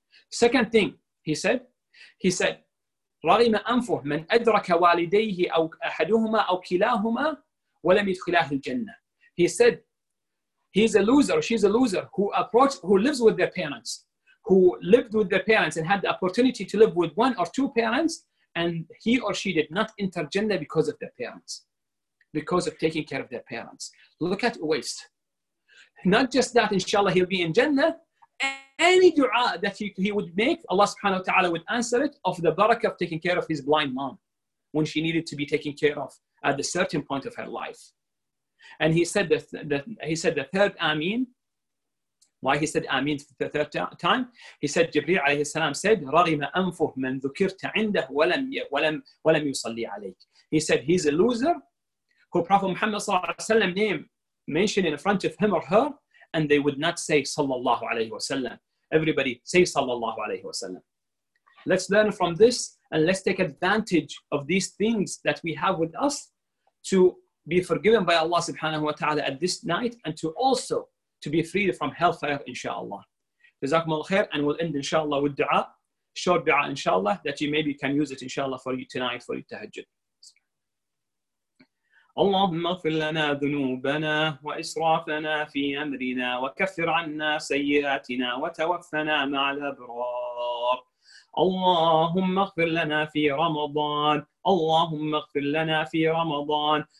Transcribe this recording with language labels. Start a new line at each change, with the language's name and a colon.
English: Second thing he said,
Arabic: رغم أنفه من أدرك والديه أو أحدهما أو كلاهما ولم يدخلاه الجنة.
English: He said, he's a loser, she's a loser who lives with their parents and had the opportunity to live with one or two parents, and he or she did not enter Jannah because of their parents, because of taking care of their parents. Look at Uwais. Not just that, inshallah, he'll be in Jannah. Any dua that he would make, Allah subhanahu wa ta'ala would answer it of the barakah of taking care of his blind mom when she needed to be taken care of at a certain point of her life. And he said the third Ameen. Why he said Ameen for the third time? He said Jibreel alayhi salam said,
Arabic: رَغِمَ أَنْفُهُ مَنْ ذُكِرْتَ عِنْدَهُ وَلَمْ يُصَلِّي عَلَيْكَ.
English: He said, he's a loser who Prophet Muhammad sallallahu alayhi wa sallam name mentioned in front of him or her, and they would not say sallallahu alayhi wa sallam. Everybody say sallallahu alayhi wa sallam. Let's learn from this, and let's take advantage of these things that we have with us to be forgiven by Allah subhanahu wa ta'ala at this night, and to also to be freed from hellfire, inshallah. Jazakum Allah khair, and we'll end, inshallah, with dua, short dua, inshallah, that you maybe can use it, inshallah, for you tonight, for your tahajjud.
Arabic: اللهم اغفر لنا ذنوبنا وإسرافنا في أمرنا وكفر عنا سيئاتنا وتوفنا مع الأبرار. اللهم اغفر لنا في رمضان. اللهم اغفر لنا في رمضان.